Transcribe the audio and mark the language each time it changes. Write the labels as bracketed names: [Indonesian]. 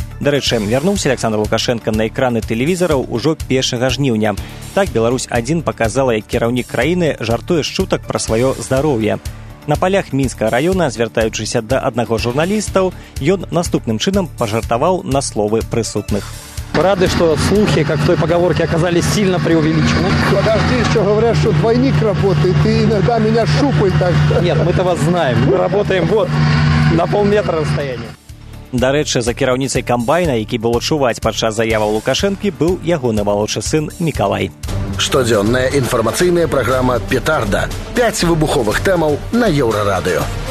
[Belarusian] Дарэчы, вярнуўся Александр Лукашэнка на экраны тэлевізараў ужо 1 жніўня. Так «Беларусь-1» паказала, як кіраўнік краіны жартуе шутак пра сваё здароўе. На палях Мінскага раёна, звяртаючыся да аднаго журналістаў, ён наступным чынам пажартаваў на словы прысутных. [Russian] Рады, что слухи, как в той поговорке, оказались сильно преувеличены. Подожди, что говорят, что двойник работает, и иногда меня шупает так. Нет, мы-то вас знаем. Мы работаем вот на полметра расстояния. [Belarusian] Дарэчы, за кіраўніцай камбайна, які было чуваць падчас заяваў Лукашэнкі, быў ягоны малодшы сын Мікалай. Штодзённая інфармацыйная праграма «Петарда». Пяць выбуховых тэмаў на Еўрарадыё.